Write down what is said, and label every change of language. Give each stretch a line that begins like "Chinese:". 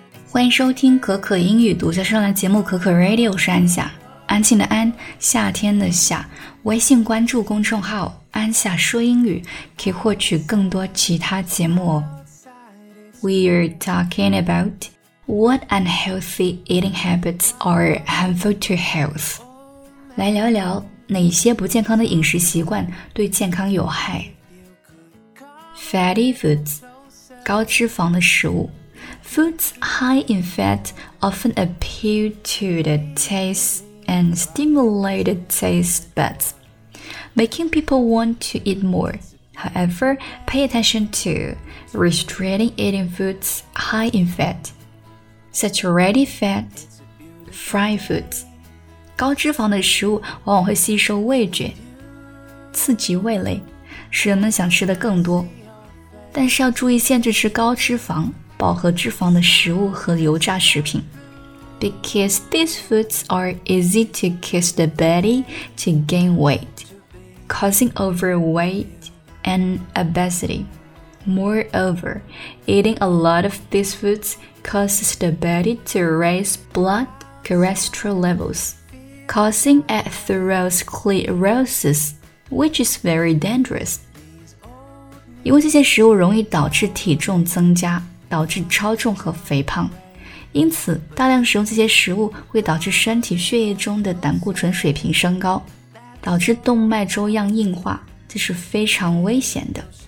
Chinese: 欢迎收听可可英语独家专栏节目可可 Radio， 我是安夏，安静的安，夏天的夏。微信关注公众号安夏说英语，可以获取更多其他节目哦。
English: We're talking about what unhealthy eating habits are harmful to health.
Chinese: 来聊聊哪些不健康的饮食习惯对健康有害。
English: Fatty foods,
Chinese: 高脂肪的食物。
English: Foods high in fat often appeal to the taste and stimulate taste buds, making people want to eat more. However, pay attention to restraining eating foods high in fat. Saturated fat, fried foods.
Chinese: 高脂肪的食物往往会吸收味觉，刺激味蕾，使人们想吃的更多。但是要注意限制吃高脂肪。饱和脂肪的食物和油炸食品
English: Because these foods are easy to kiss the belly to gain weight, causing overweight and obesity. Moreover, eating a lot of these foods causes the body to raise blood cholesterol levels, causing atherosclerosis, which is very dangerous.
Chinese: 因为这些食物容易导致体重增加导致超重和肥胖，因此大量使用这些食物会导致身体血液中的胆固醇水平升高，导致动脉粥样硬化，这是非常危险的。